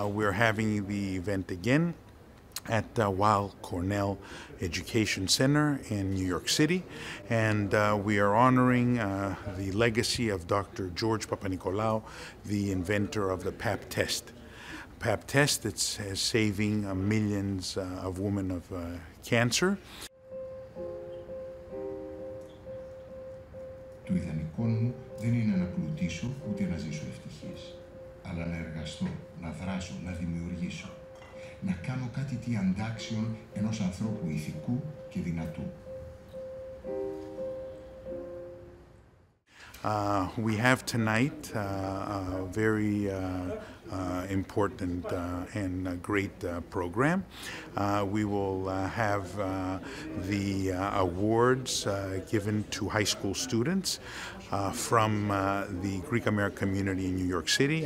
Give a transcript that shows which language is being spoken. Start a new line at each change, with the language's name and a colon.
English: We're having the event again at Weill Cornell Education Center in New York City, and we are honoring the legacy of Dr. George Papanikolaou, the inventor of the Pap test. Pap test, it's saving millions of women of cancer.
Greek: Του ιδανικών μου δεν είναι να πλουτίσω ούτε να ζήσω ευτυχής, αλλά να εργαστώ, να δράσω, να δημιουργήσω. Να κάνω κάτι τι αντάξιον ενός ανθρώπου ηθικού και δυνατού.
English: We have tonight a very important and a great program. We will have the awards given to high school students from the Greek American community in New York City.